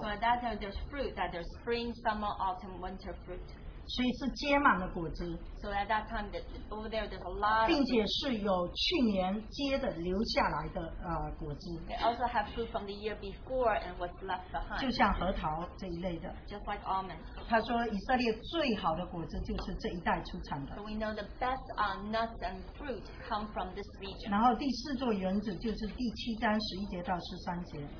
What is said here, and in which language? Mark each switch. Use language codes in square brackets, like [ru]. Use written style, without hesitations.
[en] So that there's fruit, that there's spring, summer, autumn, winter fruit. [zh] 所以是结满了果子。 [en] So at that time, that over there, there's a lot. [zh] 并且是有去年结的留下来的果子。 [en] They also have fruit from the year before and what's left behind. [zh] 就像核桃这一类的。 [en] Just like almonds. [zh] 他说以色列最好的果子就是这一代出产的。 [en] So we know the best nuts and fruit come from this region. [zh] 然后第四座园子就是第七章十一节到十三节。